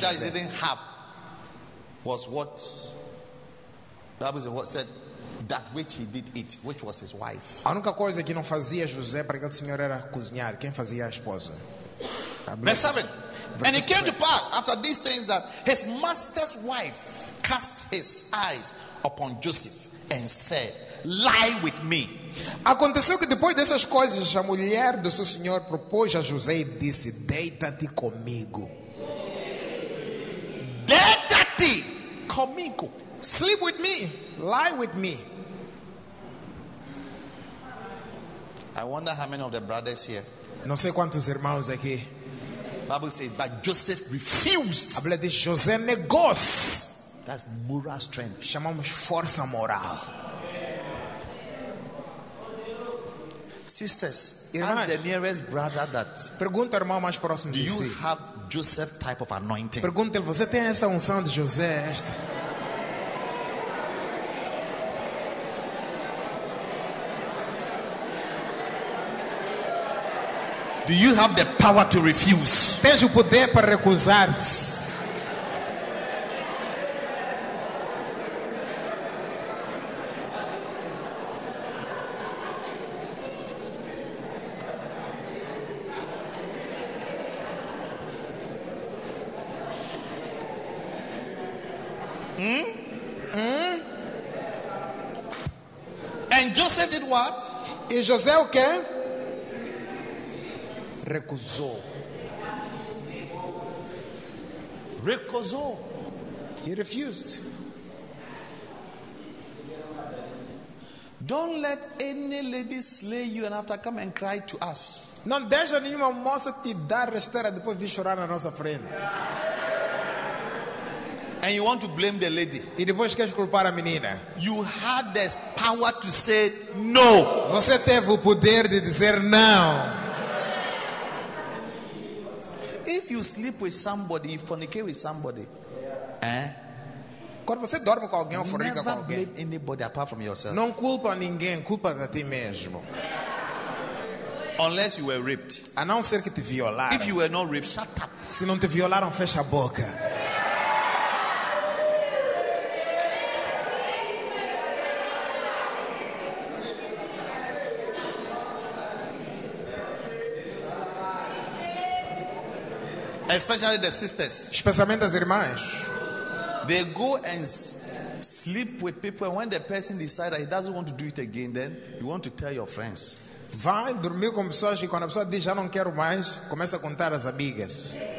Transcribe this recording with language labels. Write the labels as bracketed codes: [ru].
[en] The only thing that he didn't have was what that was what said that which he did eat, which was his wife. [pt] A única coisa que não fazia José para aquele senhor era cozinhar. Quem fazia a esposa? [en] Verse 7. And it came to pass after these things that his master's wife cast his eyes upon Joseph and said, lie with me. [pt] Aconteceu que depois dessas coisas, a mulher do seu senhor propôs a José e disse, deita-te comigo. Deita-te comigo. [en] Sleep with me. Lie with me. I wonder how many of the brothers here. [pt] Não sei quantos irmãos aqui. [en] Bible says, but Joseph refused. [pt] A Bíblia diz, José negou. [en] That's moral strength. [pt] Chamamos força moral. [en] Sisters, irmãs, ask the nearest brother that. [pt] Pergunta ao irmão mais próximo. [en] Do you have Joseph type of anointing? [pt] Pergunta-lhe, você tem essa unção de José? Esta? [en] Do you have the power to refuse? [pt] Tens o poder para recusar? [en] And Joseph did what? [pt] E José o quê? Recusou. Recusou. [en] He refused. Don't let any lady slay you and after come and cry to us. [pt] Não deixa nenhuma moça te dar rasteira depois vir chorar na nossa frente. [en] And you want to blame the lady. [pt] E depois queres culpar a menina. [en] You had the power to say no. [pt] Você teve o poder de dizer não. [en] If you sleep with somebody, you fornicate with somebody. Yeah. Eh? [pt] Quando você dorme com alguém ou fornica com alguém. [en] Never blame anybody apart from yourself. [pt] Não culpa ninguém, culpa a ti mesmo. [en] Unless you were raped. [pt] A não ser que te violaram. [en] If you were not raped, shut up. [pt] Se não te violaram, fecha a boca. [en] Especially the sisters. [pt] Especialmente as irmãs. [en] They go and sleep with people, and when the person decides that he doesn't want to do it again, then you want to tell your friends. [pt] Vai dormir com pessoas e quando a pessoa diz já não quero mais, começa a contar às amigas.